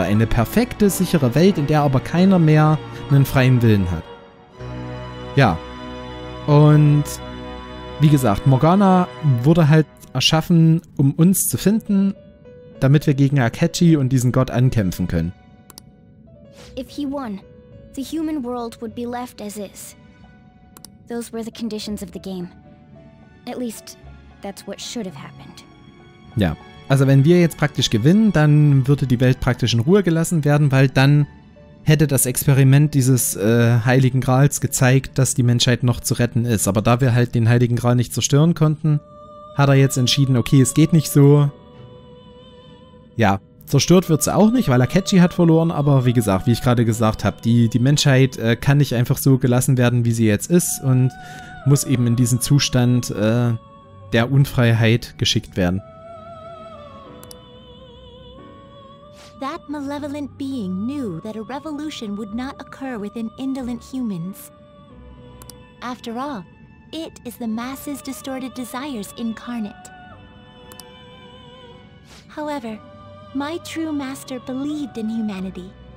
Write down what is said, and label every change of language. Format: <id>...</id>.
<de>Eine perfekte, sichere Welt, in der aber keiner mehr einen freien Willen hat. Ja. Und wie gesagt, Morgana wurde halt erschaffen, um uns zu finden, damit wir gegen Akechi und diesen Gott ankämpfen können.</de> <en>If he won, the human world would be left as is. Those were the conditions of the game. At least that's what should have happened.</en> <de>Ja, also wenn wir jetzt praktisch gewinnen, dann würde die Welt praktisch in Ruhe gelassen werden, weil dann hätte das Experiment dieses Heiligen Grals gezeigt, dass die Menschheit noch zu retten ist. Aber da wir halt den Heiligen Gral nicht zerstören konnten, hat er jetzt entschieden, okay, es geht nicht so. Ja, zerstört wird es auch nicht, weil Akechi hat verloren, aber wie gesagt, wie ich gerade gesagt habe, die Menschheit kann nicht einfach so gelassen werden, wie sie jetzt ist und muss eben in diesen Zustand der Unfreiheit geschickt werden.</de> <en>That malevolent being knew that a revolution would not occur within indolent humans. After all, it is the masses distorted desires incarnate. However, my true master believed in humanity.</en>